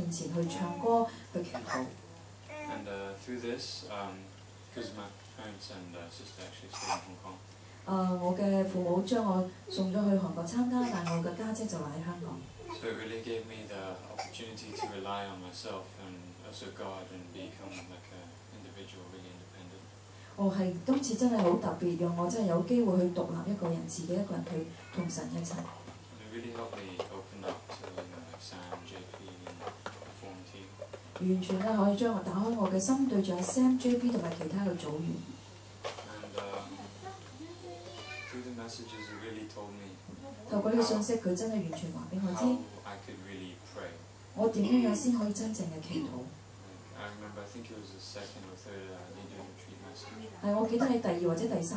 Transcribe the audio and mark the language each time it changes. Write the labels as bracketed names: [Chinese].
[Cantonese] 我怕話喺大眾大家面前去唱歌去祈禱。 [English] And through this, because my parents and sister actually stay in Hong Kong. [Cantonese] 我嘅父母將我送咗去韓國參加，但我嘅家姐就留喺香港。 [English] So it really gave me the opportunity to rely on myself and also God and become like an individual, really independent. [Cantonese] 我係今次真係好特別，讓我真係有機會去獨立一個人，自己一個人去同神一齊。 [English] Really helped me open up to Sam, JP, and the form team. [Cantonese] 完全咧可以將我打開我嘅心，對住 Sam, JP 同埋其他嘅組員。 [English] And through the messages, he really told me. [Cantonese] 透過呢個信息，佢真係完全話俾我知。 [English] I could really pray. [Cantonese] 我點樣先可以真正嘅祈禱？ [English] I remember, I think it was the second or third leader retreat message.